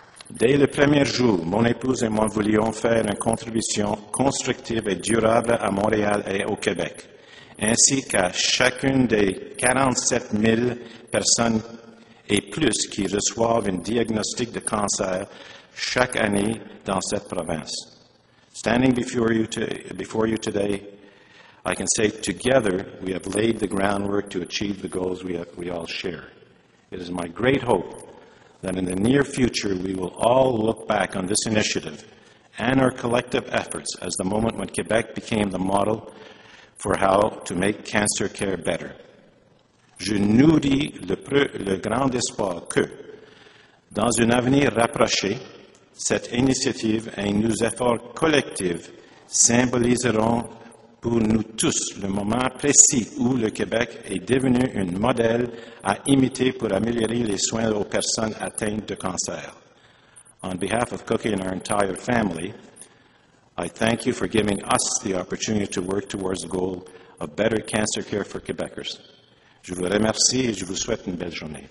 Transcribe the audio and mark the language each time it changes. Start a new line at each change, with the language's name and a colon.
French: Dès le premier jour, mon épouse et moi voulions faire une contribution constructive et durable à Montréal et au Québec, ainsi qu'à chacune des 47 000 personnes et plus qui reçoivent un diagnostic de cancer chaque année dans cette province.
English: Standing before you today, I can say together we have laid the groundwork to achieve the goals we all share. It is my great hope that in the near future we will all look back on this initiative and our collective efforts as the moment when Quebec became the model for how to make cancer care better.
French: Je nourris le grand espoir que, dans un avenir rapproché, cette initiative et nos efforts collectifs symboliseront pour nous tous le moment précis où le Québec est devenu un modèle à imiter pour améliorer les soins aux personnes atteintes de cancer.
English: On behalf of Cookie and our entire family, I thank you for giving us the opportunity to work towards the goal of better cancer care for Quebecers.
French: Je vous remercie et je vous souhaite une belle journée.